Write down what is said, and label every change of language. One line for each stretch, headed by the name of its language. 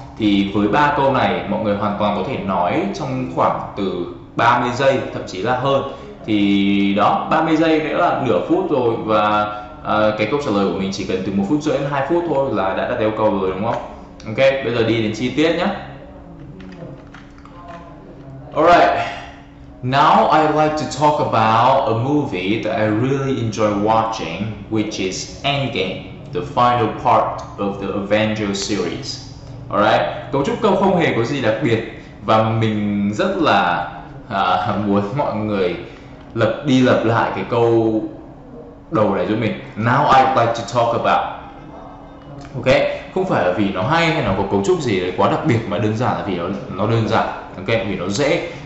Vietnamese: Thì với 3 câu này mọi người hoàn toàn có thể nói trong khoảng từ 30 giây thậm chí là hơn. Thì đó, 30 giây nữa là nửa phút rồi và cái câu trả lời của mình chỉ cần từ 1 phút rưỡi đến 2 phút thôi là đã đạt yêu cầu rồi đúng không? Ok, bây giờ đi đến chi tiết nhé.
English: Alright. Now I'd like to talk about a movie that I really enjoy watching, which is Endgame, the final part of the Avengers series.
Vietnamese: Alright, cấu trúc câu không hề có gì đặc biệt và mình rất là muốn mọi người lặp đi lặp lại cái câu đầu này giúp mình.
English: Now I'd like to talk about.
Vietnamese: Ok, không phải là vì nó hay hay nó có cấu trúc gì đấy quá đặc biệt mà đơn giản là vì nó đơn giản. Ok, vì nó dễ.